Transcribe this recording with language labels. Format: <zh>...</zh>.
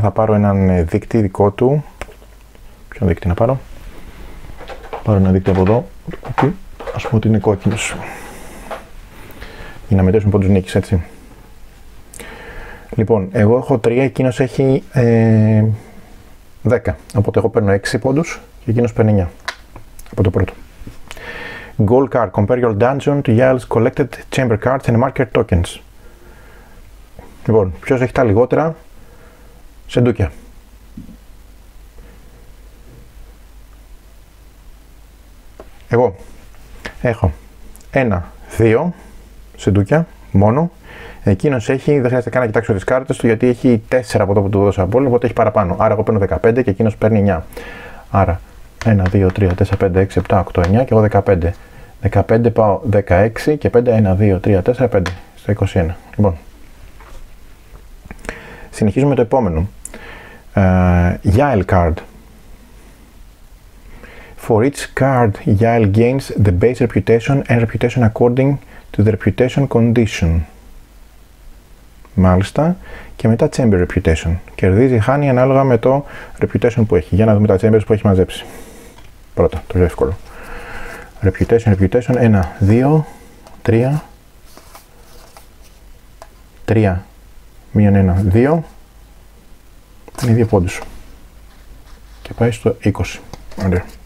<el>Θα πάρω έναν δείκτη δικό του. Ποιον δείκτη να πάρω? Πάρω ένα δείκτη από εδώ. Okay. Ας πούμε ότι είναι κόκκινος. Για να μετρήσουμε πόντους νίκης, έτσι. Λοιπόν, εγώ έχω 3, εκείνος έχει 10. Οπότε εγώ παίρνω 6 πόντους και εκείνος παίρνει 9. Από το πρώτο. Goal card.</el> <en>Compare your dungeon to Yael's collected chamber cards and marker tokens.</en> <el>Λοιπόν, ποιος έχει τα λιγότερα σε ντούκια. Εγώ έχω 1, 2 σε ντούκια μόνο. Εκείνος έχει, δεν χρειάζεται καν να κοιτάξω τις κάρτες του, γιατί έχει 4 από το που του δώσα από όλο, οπότε έχει παραπάνω. Άρα εγώ παίρνω 15 και εκείνος παίρνει 9. Άρα 1, 2, 3, 4, 5, 6, 7, 8, 9 και εγώ 15. 15 πάω 16 και 5, 1, 2, 3, 4, 5 στο 21. Λοιπόν, συνεχίζουμε το επόμενο.</el> <en>Yael card. For each card, Yael gains the base reputation and reputation according to the reputation condition.</en> <el>Μάλιστα, και μετά chamber reputation. Κερδίζει, χάνει ανάλογα με το reputation που έχει. Για να δούμε τα chambers που έχει μαζέψει. Πρώτα, το πιο εύκολο. Reputation. 1, 2, 3, 3, μείον 1, 2. Είναι 2 πόντους. Και πάει στο 20. Ωραία.</el>